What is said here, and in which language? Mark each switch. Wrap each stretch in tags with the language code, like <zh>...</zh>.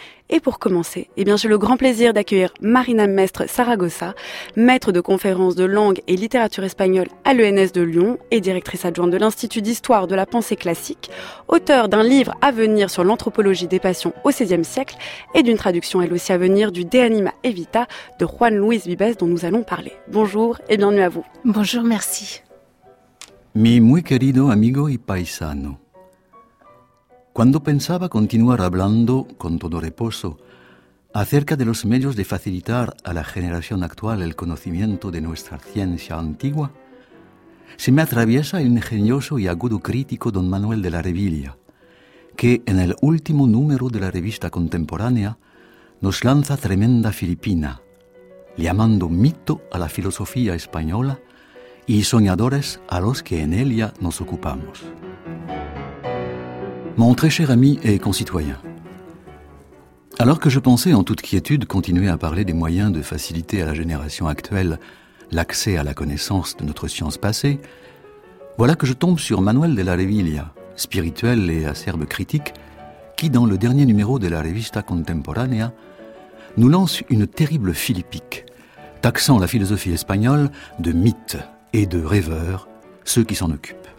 <fr>Et pour commencer, eh bien j'ai le grand plaisir d'accueillir Marina Mestre Saragossa, maître de conférences de langue et littérature espagnole à l'ENS de Lyon et directrice adjointe de l'Institut d'Histoire de la Pensée Classique, auteur d'un livre à venir sur l'anthropologie des passions au XVIe siècle et d'une traduction elle aussi à venir du De Anima Evita de Juan Luis Vives dont nous allons parler. Bonjour et bienvenue à vous. Bonjour, merci.</fr> <es>Mi muy querido amigo y paisano, cuando pensaba continuar hablando con todo reposo acerca de los medios de facilitar a la generación actual el conocimiento de nuestra ciencia antigua, se me atraviesa el ingenioso y agudo crítico don Manuel de la Revilla, que en el último número de la revista contemporánea nos lanza tremenda filipina, llamando mito a la filosofía española y soñadores a los que en ella nos ocupamos.</es> <fr>Mon très cher ami et concitoyen, alors que je pensais en toute quiétude continuer à parler des moyens de faciliter à la génération actuelle l'accès à la connaissance de notre science passée, voilà que je tombe sur Manuel de la Revilla, spirituel et acerbe critique, qui, dans le dernier numéro de la Revista Contemporanea, nous lance une terrible philippique, taxant la philosophie espagnole de mythes et de rêveurs, ceux qui s'en occupent.</fr>